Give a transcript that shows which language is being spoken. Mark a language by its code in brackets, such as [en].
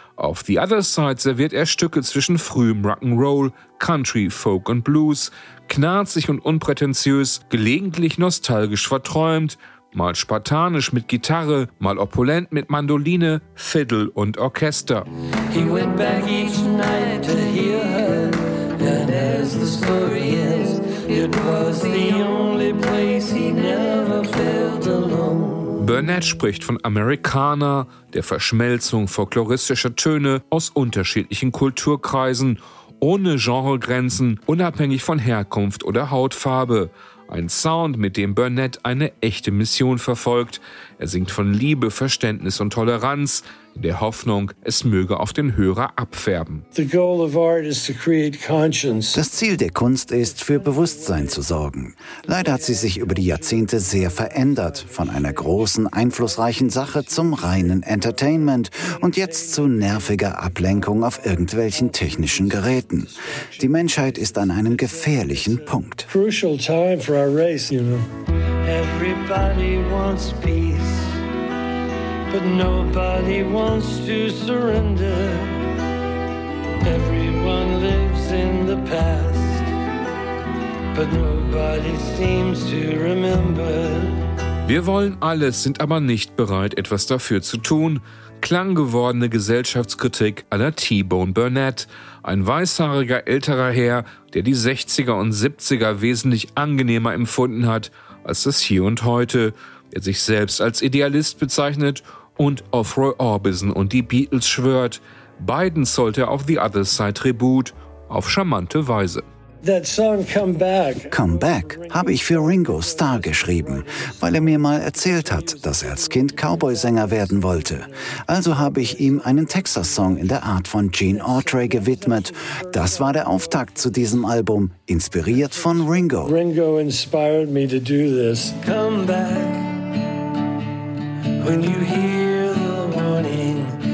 [de] Auf The Other Side serviert er Stücke zwischen frühem Rock'n'Roll, Country, Folk und Blues, knarzig und unprätentiös, gelegentlich nostalgisch verträumt, mal spartanisch mit Gitarre, mal opulent mit Mandoline, Fiddle und Orchester. [en] He went back each night to hear her, and as the story ends, it was the only place he never felt alone. [de] Burnett spricht von Americana, der Verschmelzung folkloristischer Töne aus unterschiedlichen Kulturkreisen, ohne Genregrenzen, unabhängig von Herkunft oder Hautfarbe. Ein Sound, mit dem Burnett eine echte Mission verfolgt. Er singt von Liebe, Verständnis und Toleranz, in der Hoffnung, es möge auf den Hörer abfärben. Das Ziel der Kunst ist, für Bewusstsein zu sorgen. Leider hat sie sich über die Jahrzehnte sehr verändert, von einer großen, einflussreichen Sache zum reinen Entertainment und jetzt zu nerviger Ablenkung auf irgendwelchen technischen Geräten. Die Menschheit ist an einem gefährlichen Punkt. [en] Crucial time for our race, you know. Everybody wants peace, but nobody wants to surrender. Everyone lives in the past, but nobody seems to remember. [de] Wir wollen alles, sind aber nicht bereit, etwas dafür zu tun. Klanggewordene Gesellschaftskritik à la T-Bone Burnett. Ein weißhaariger älterer Herr, der die 60er und 70er wesentlich angenehmer empfunden hat als das Hier und Heute, der sich selbst als Idealist bezeichnet und auf Roy Orbison und die Beatles schwört. Beiden zollt er auf The Other Side Tribut, auf charmante Weise. [en] That song Come Back. [de] Come Back habe ich für Ringo Starr geschrieben, weil er mir mal erzählt hat, dass er als Kind Cowboy-Sänger werden wollte. Also habe ich ihm einen Texas-Song in der Art von Gene Autry gewidmet. Das war der Auftakt zu diesem Album, inspiriert von Ringo. [en] Ringo inspired me to do this. Come back when you hear the warning.